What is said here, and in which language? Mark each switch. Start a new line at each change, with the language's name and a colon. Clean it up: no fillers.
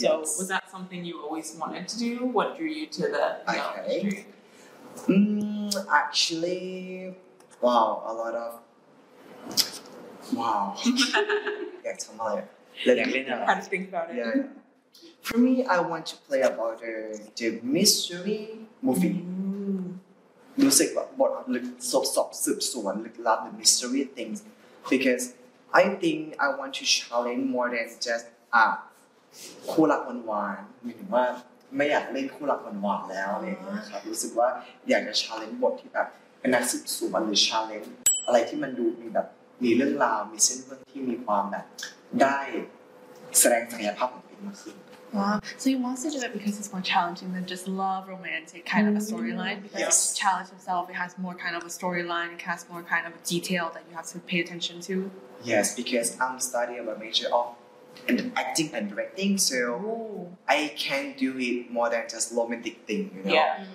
English: So was that something you always wanted to do? What drew you to the industry? Actually, wow, a lot of, wow. Yeah, tell me later. Let me think about it. For me, I want to play about the mystery movie. Music, but the mystery things, because I think I want to challenge more than just
Thai: คู่รักหวานๆไม่ถึงว่าไม่อยากเล่นคู่รักหวานๆแล้วอะไรอย่างเงี้ยครับรู้สึกว่าอยากจะชาเลนจ์บทที่แบบเป็นนักสืบสวนหรือชาเลนจ์อะไรที่มันดูมีแบบมีเรื่องราวมีเส้นเรื่องที่มีความแบบได้แสดงศักยภาพของตัวเองมากขึ้น
English: So you want to do it because it's more challenging than just love, romantic, kind of challenge itself. It has more kind of a storyline, it has more kind of a detail that you have to pay attention to. Yes, because I'm studying a major of acting and directing, so I can do it more than just romantic thing, you know?